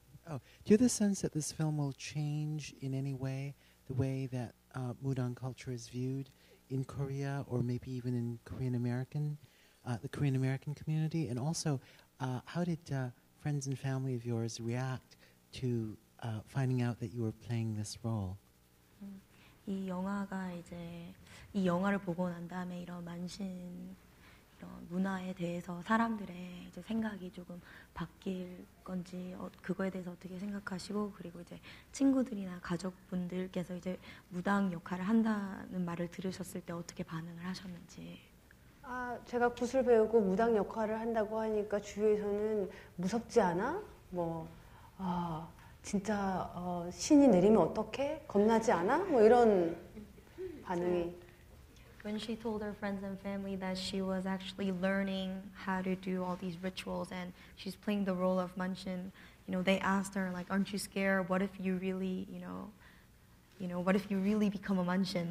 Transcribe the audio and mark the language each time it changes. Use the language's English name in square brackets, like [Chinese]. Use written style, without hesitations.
[English] Oh, do you have the sense that this film will change in any way the way that Mudong culture is viewed in Korea or maybe even in Korean-American, the Korean-American community? And also, how did friends and family of yours react to finding out that you were playing this role? [Korean] 이 영화가 이제, 이 영화를 보고 난 다음에 이런 만신 이런 문화에 대해서 사람들의 이제 생각이 조금 바뀔 건지 그거에 대해서 어떻게 생각하시고 그리고 이제 친구들이나 가족분들께서 이제 무당 역할을 한다는 말을 들으셨을 때 어떻게 반응을 하셨는지 아 제가 굿을 배우고 무당 역할을 한다고 하니까 주위에서는 무섭지 않아? 뭐 아 진짜 신이 내리면 어떡해? 겁나지 않아? 뭐 이런 반응이 [English] When she told her friends and family that she was actually learning how to do all these rituals and she's playing the role of Manshin, you know, they asked her, like, aren't you scared? What if you really, you know, what if you really become a Manshin?